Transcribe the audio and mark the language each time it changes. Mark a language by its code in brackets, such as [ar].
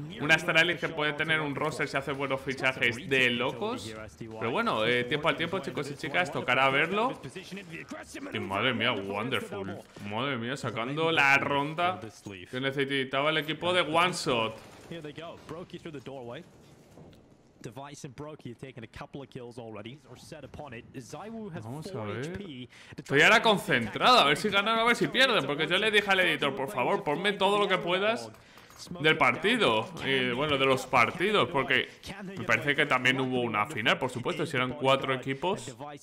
[es] Una Astralis que puede tener un roster si hace buenos fichajes de locos. Pero bueno, tiempo al tiempo, chicos y chicas, tocará verlo. Y madre mía, Wonderful. Madre mía, sacando la ronda que necesitaba el equipo de One Shot. [en] Here they go. Broky through the doorway. Device and Broky have taken a couple of kills already. Or set upon it. Zaiwu has 4 HP. [es] Estoy ahora concentrado. A ver si ganan o a ver si pierden. Porque yo le dije al editor, por favor, ponme todo lo que puedas. del partido, y bueno, de los partidos, porque me parece que también hubo una final, por supuesto, si eran cuatro equipos.